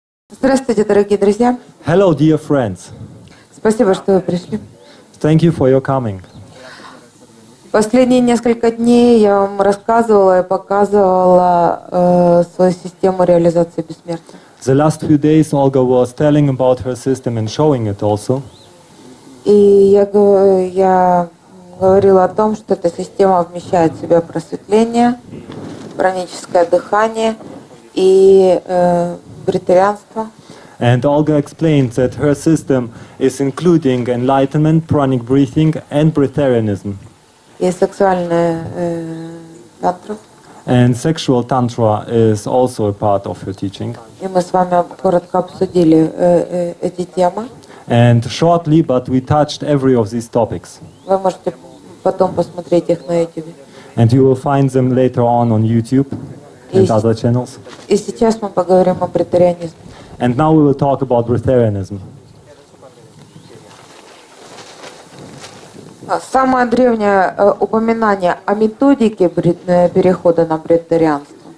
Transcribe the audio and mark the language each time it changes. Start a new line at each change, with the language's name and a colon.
Russian: Здравствуйте, дорогие друзья.
English: Hello, dear friends.
Russian: Спасибо, что вы пришли.
English: Thank you for your coming.
Russian: Последние несколько дней я вам рассказывала и показывала свою систему реализации бессмертия.
English: The last few days Olga was telling about her system and showing it also.
Russian: И я говорила о том, что эта система вмещает в себя просветление, праническое дыхание и бритарианство.
English: And Olga explained that her system is including enlightenment, pranic breathing and breatharianism.
Russian: И сексуальное тантру.
English: And sexual tantra is also a part of her teaching.
Russian: И мы с вами коротко обсудили эти темы.
English: And shortly, but we touched every of these topics.
Russian: Вы можете потом посмотреть их на YouTube.
English: And you will find them later on YouTube and other channels.
Russian: И сейчас мы поговорим о бритарианизме.
English: And now we will talk about бритарианизм.
Russian: Самое древнее упоминание о методике перехода на бритарианство.